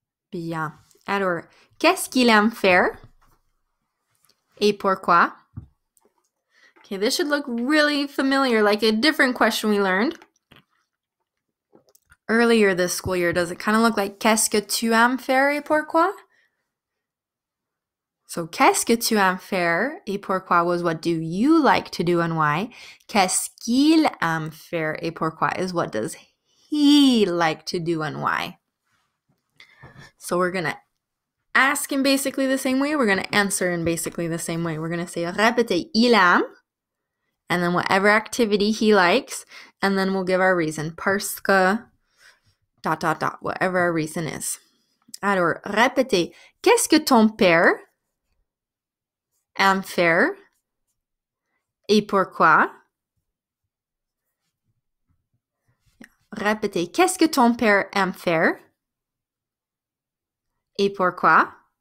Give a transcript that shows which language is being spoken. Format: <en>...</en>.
<fr>Bien. Alors, qu'est-ce qu'il aime faire? Et pourquoi?</fr> <en>Okay, this should look really familiar, like a different question we learned earlier this school year. Does it kind of look like</en> <fr>qu'est-ce que tu aimes faire et pourquoi?</fr> <en>So,</en> <fr>qu'est-ce que tu aimes faire et pourquoi</fr> <en>was what do you like to do and why.</en> <fr>Qu'est-ce qu'il aime faire et pourquoi</fr> <en>is what does he like to do and why. So, we're going to ask in basically the same way. We're going to answer in basically the same way. We're going to say,</en> <fr>répétez, il aime,</fr> <en>and then whatever activity he likes, and then we'll give our reason,</en> <fr>parce que,</fr> <en>dot, dot, dot, whatever our reason is.</en> <fr>Alors, répétez, qu'est-ce que ton père aime faire et pourquoi? Répétez, qu'est-ce que ton père aime faire et pourquoi?</fr>